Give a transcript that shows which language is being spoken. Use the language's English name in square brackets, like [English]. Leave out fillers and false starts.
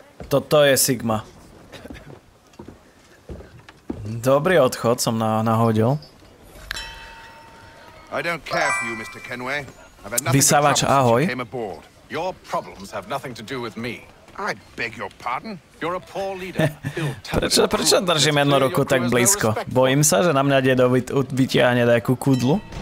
[Slovak] Toto je Sigma. Dobrý odchod som nahodil. [English] I don't care for you, Mr. Kenway. [Slovak] Vysávač, ahoj. [English] Your problems have nothing to do with me. I beg your pardon. You're a poor leader. [Slovak] Prečo držím jednu ruku tak blízko? Bojím sa, že na mňa dedo vytiahne nejakú kudlu.